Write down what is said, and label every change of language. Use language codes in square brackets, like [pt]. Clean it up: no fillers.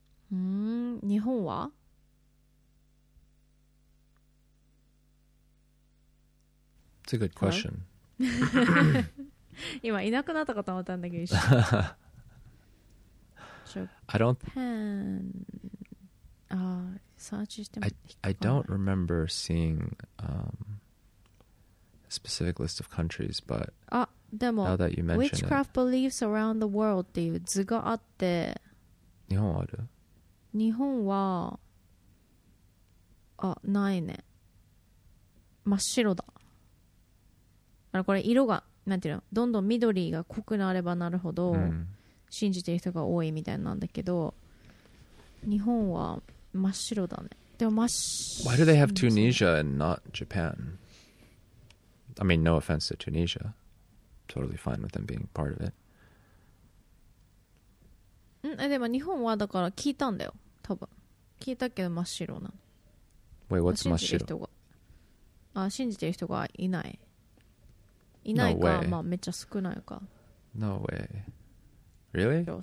[ja] 日本は？ [en] It's a good question. [ja] 今いなくなったかと思ったんだけど。 [en] I don't pen. I don't remember seeing a specific list of countries, but now that you mention witchcraft it, beliefs around the world [ja] っていう図があって、日本はある？日本はあないね。真っ白だ。あのこれ色がなんていうの、どんどん緑が濃くなればなるほど、うん、信じてる人が多いみたいなんだけど、日本は真っ白だね。でも真っ白。 [en] Why do they have Tunisia and not Japan? I mean, no offense to Tunisia. Totally fine with them being part of it. [ja] んでも日本はだから聞いたんだよ。多分聞いたけど真っ白なの。 [en] Wait, what's [ja] 真っ白？信じてる人が、信じてる人がいない。いないか、 [en] no、 [ja] まあめっちゃ少ないか。 [en] No way. Really?